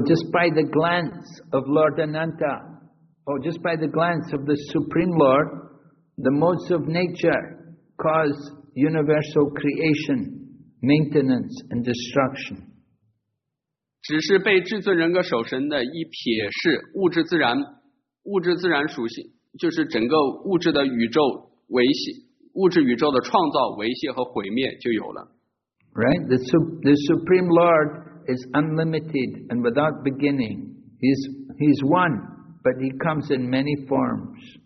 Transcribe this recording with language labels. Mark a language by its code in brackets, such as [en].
[en] just by the glance of Lord Ananta, or just by the glance of the Supreme Lord, the modes of nature cause universal creation, maintenance, and destruction. [zh] 只是被至尊人格守神的一瞥视，物质自然属性。就是整个物质的宇宙维系，物质宇宙的创造维系和毁灭就有了。 [en] Right, the Supreme Lord is unlimited and without beginning. He's one, but he comes in many forms.